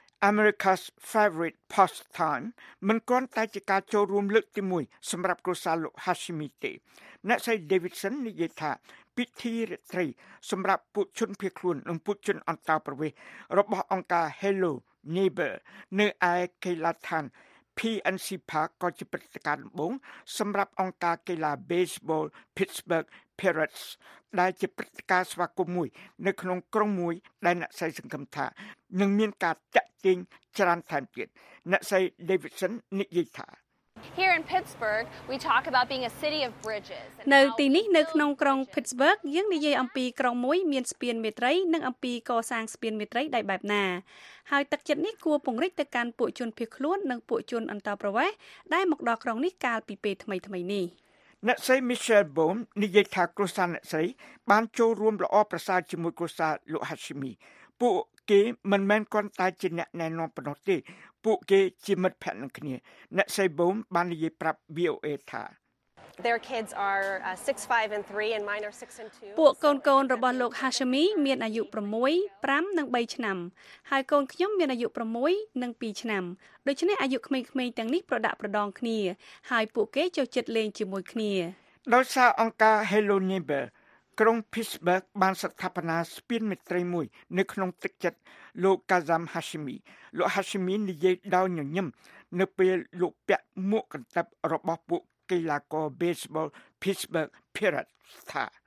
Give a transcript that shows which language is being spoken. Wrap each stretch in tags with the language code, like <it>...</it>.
<km>America's Favorite Pastime មិនគ្រាន់តែជាការចូលរួមលើកទី1សម្រាប់គ្រួសារលោក Hashimi ទេអ្នកស្រី Davidson និយាយថាពិធីរាត្រីសម្រាប់ពួកជនភៀសខ្លួននិងពួកជនអន្តោប្រវេសន៍របស់អង្គការ Hello Neighbor នៅឯកីឡដ្ឋាន PNC Park ក៏ជាព្រឹត្តិការណ៍ដំបូងសម្រាប់អង្គការកីឡា Baseball Pittsburgh Pirates ដែលជាព្រឹត្តិការណ៍ស្វាគមន៍មួយនៅក្នុងក្រុងមួយដែលអ្នកស្រីសង្ឃឹមថានឹងមានការតាក់ទាញច្រើនថែមទៀតអ្នកស្រី Davidson និយាយថា</km> <en>Here in Pittsburgh we talk about being a city of bridges.</en> <km>នៅទីនេះនៅក្នុងក្រុង Pittsburgh យើងនិយាយអំពីក្រុងមួយមានស្ពានមេត្រីនិងអំពីកសាងស្ពានមេត្រីដែលបែបណាហើយទឹកចិត្តនេះគួរពង្រីកទៅកាន់ពួកជនភៀសខ្លួននិងពួកជនអន្តោប្រវេសន៍ដែលមកដល់ក្រុងនេះកាលពីពេលថ្មីៗនេះ អ្នកស្រី Michelle Boom និយាយថាគ្រួសារអ្នកស្រីបានចូលរួមល្អប្រសើរជាមួយគ្រួសារលោក Hashimi ពួកគេមិនមែនគ្រាន់តែជាអ្នកណែនាំប៉ុណ្ណោះទេពួកគេជាមិត្តភក្តិនឹងគ្នាអ្នកស្រីប៊ូមបាននិយាយប្រាប់ VOA ថា</km> <en>Their kids are 6 5 and 3 and mine are 6 and 2</en> <km>ពួកកូនកូនរបស់លោក Hashimi មានអាយុ6 5និង3ឆ្នាំហើយកូនខ្ញុំមានអាយុ6និង2ឆ្នាំដូច្នេះអាយុក្មេងៗទាំងនេះប្រដាក់ប្រដងគ្នាហើយពួកគេចូលចិត្តលេងជាមួយគ្នា ដោយសារអង្គការ Hello Neighbor ក្រុង Pittsburgh បានស្ថាបនាស្ពានមេត្រីមួយនៅក្នុងទឹកចិត្តលោក Kazam Hashimi លោក Hashimi និយាយដោយញញឹមនៅពេលលោកពាក់មួកកន្តិបរបស់ពួកកីឡាករ Baseball Pittsburgh Pirates ថា</km>